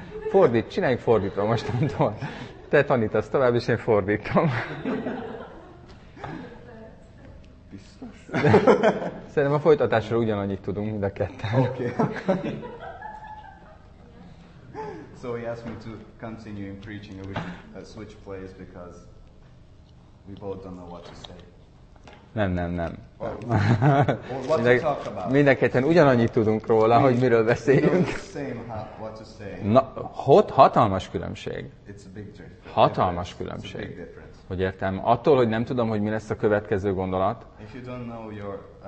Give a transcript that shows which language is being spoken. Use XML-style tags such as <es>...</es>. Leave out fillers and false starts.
<hu>Fordít, csináljuk fordítva mostantól. Te tanítasz tovább, és én fordítom. Biztos? Szerintem a folytatásra ugyanannyit tudunk, mind a ketten. Oké.</hu> <en>So he asked me to continue in preaching a switch place because we both don't know what to say.</en> <hu>Nem.</hu> <en>Or what to talk about.</en> <hu>Mindenketten ugyanannyit tudunk róla, hogy miről beszéljünk.</hu> <en>What to say.</en> <hu>Na, hogy hatalmas különbség.</hu> <en>It's a big difference.</en> <hu>Hatalmas különbség.</hu> <en>It's a big difference.</en> <hu>Hogy értem, attól, hogy nem tudom, hogy mi lesz a következő gondolat,</hu> <en>if you don't know your,</en>